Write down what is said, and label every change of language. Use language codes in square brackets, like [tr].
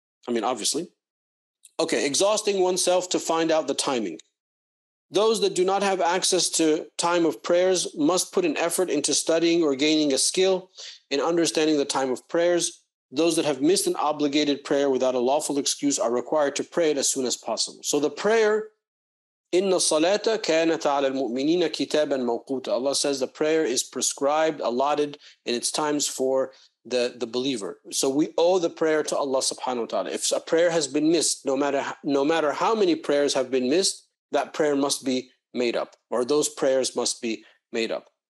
[en] I mean, obviously. Okay, exhausting oneself to find out the timing. Those that do not have access to time of prayers must put an effort into studying or gaining a skill in understanding the time of prayers. Those that have missed an obligated prayer without a lawful excuse are required to pray it as soon as possible. So the prayer, [ar] إِنَّ الصَّلَاةَ كَانَتْ عَلَى الْمُؤْمِنِينَ كِتَابًا مَوْقُوتًا. [en] Allah says the prayer is prescribed, allotted, and it's times for the believer. So we owe the prayer to Allah subhanahu wa ta'ala. If a prayer has been missed, no matter how many prayers have been missed, that prayer must be made up, or those prayers must be made up.